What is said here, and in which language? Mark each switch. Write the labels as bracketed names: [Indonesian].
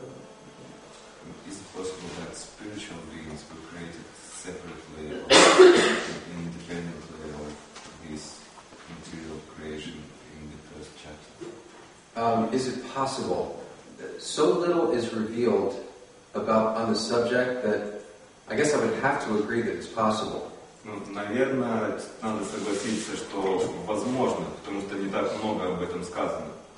[Russian] года? [English] Is it possible that spiritual beings were created separately or independently of this material creation in the first chapter? Is it possible? So little is revealed about on the subject that I guess I would have to agree that it's possible. [Russian] Ну, наверное, надо согласиться, что возможно, потому что не так много об этом сказано.